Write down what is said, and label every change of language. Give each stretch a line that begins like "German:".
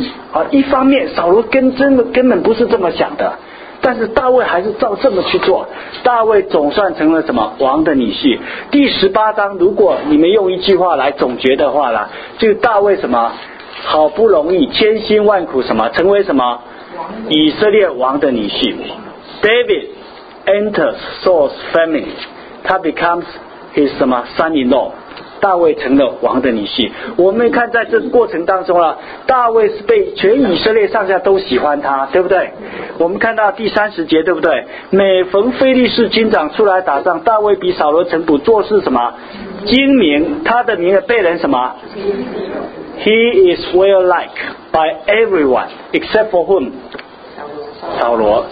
Chinese: 好，一方面扫罗跟真的根本不是这么想的，但是大卫还是照这么去做，大卫总算成了什么王的女婿。第十八章如果你们用一句话来总结的话呢，就大卫什么好不容易千辛万苦什么成为什么以色列王的女婿。
English: David enters Saul's family,
Chinese: 他
English: becomes his
Chinese: 什么
English: son-in-law,
Chinese: 大卫成了王的女婿。我们看在这个过程当中了，大卫是被全以色列上下都喜欢他，对不对？我们看到第三十节，对不对？每逢非利士军长出来打仗，大卫比扫罗城仆做事什么精明，他的名字被人什么
English: He is well liked by everyone except for whom?
Chinese: 扫罗。